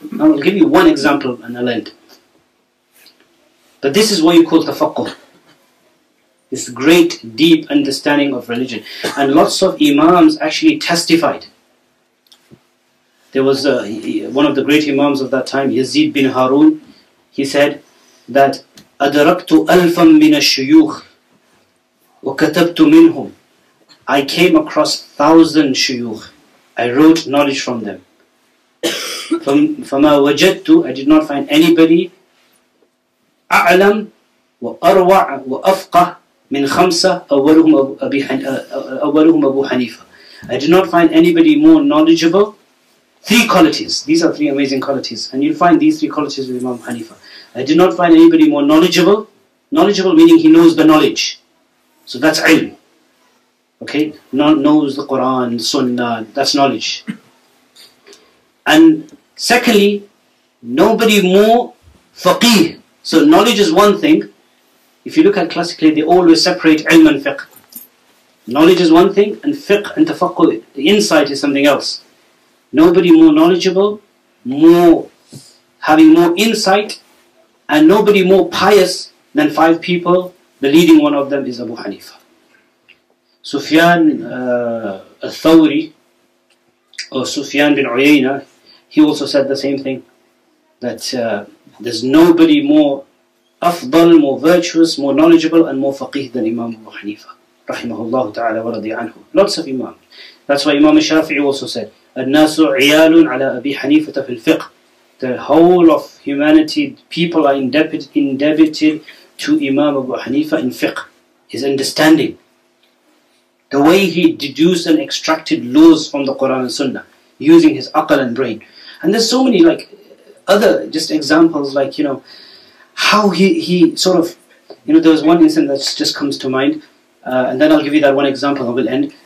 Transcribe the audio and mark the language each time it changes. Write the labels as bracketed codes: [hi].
[en] I'll give you one example and I'll end. But this is what you call tafaqquh. This great, deep understanding of religion. And lots of imams actually testified. There was one of the great imams of that time, Yazid bin Harun. He said that, [ar] أَدْرَكْتُ أَلْفًا مِنَ الشُّيُوخِ وَكَتَبْتُ مِنْهُمْ. [en] I came across 1,000 shuyukh. I wrote knowledge from them. [ar] فَمَا وَجَدْتُ. [en] I did not find anybody [ar] أعلم وأروع وأفقه من خمسة أولهم أبو حنيفة. [en] I did not find anybody more knowledgeable. Three qualities. These are three amazing qualities. And you'll find these three qualities with Imam Hanifa. I did not find anybody more knowledgeable. Knowledgeable meaning he knows the knowledge. So that's ilm. Okay? Knows the Quran, Sunnah. That's knowledge. And secondly, nobody more faqih. So knowledge is one thing. If you look at classically, they always separate ilm and fiqh. Knowledge is one thing, and fiqh and tafaqquh, the insight, is something else. Nobody more knowledgeable, more having more insight, and nobody more pious than five people. The leading one of them is Abu Hanifa. Sufyan al-Thawri, or Sufyan bin Uyayna, he also said the same thing, that there's nobody more afdal, more virtuous, more knowledgeable, and more faqih than Imam Abu Hanifa, [ar] رحمه الله تعالى ورضي عنه. [en] Lots of imams. That's why Imam Shafi'i also said, [ar] النَّاسُ عِيَالٌ عَلَىٰ أَبِي حَنِيفَةَ فِي الْفِقْهِ. [en] The whole of humanity, people are indebted to Imam Abu Hanifa in fiqh, his understanding. The way he deduced and extracted laws from the Quran and Sunnah, using his aqal and brain. And there's so many, like, other just examples, like, you know, how he sort of, you know, there was one incident that just comes to mind, and then I'll give you that one example and we'll end.